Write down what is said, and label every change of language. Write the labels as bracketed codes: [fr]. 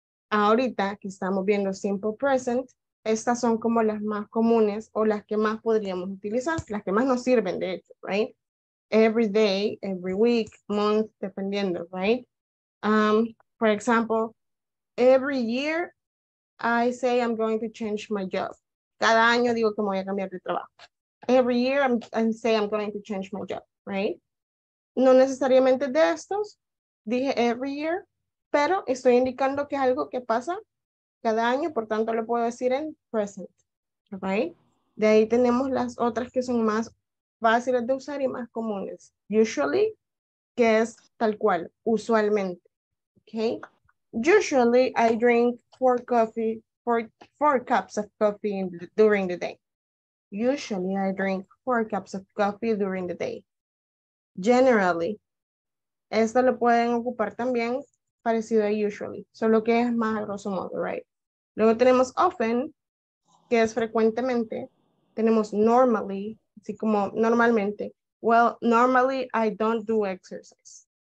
[es] Ahorita que estamos viendo simple present, estas son como las más comunes o las que más podríamos utilizar, las que más nos sirven, de hecho, right? [en] Every day, every week, month, dependiendo, right? For example, every year I say I'm going to change my job. [es] Cada año digo que me voy a cambiar de trabajo. [en] Every year I'm going to change my job, right? [es] No necesariamente de estos, dije [en] every year, [es] pero estoy indicando que es algo que pasa cada año, por tanto lo puedo decir en present, right? De ahí tenemos las otras que son más fáciles de usar y más comunes. Usually, que es tal cual, usualmente, okay? [en] Usually I drink four cups of coffee during the day. Usually I drink 4 cups of coffee during the day. [es] Generally, esto lo pueden ocupar también parecido a usually, solo que es más a grosso modo, right? Luego tenemos often, que es frecuentemente. Tenemos normally, así como normalmente. [en] Well, normally I don't do exercise.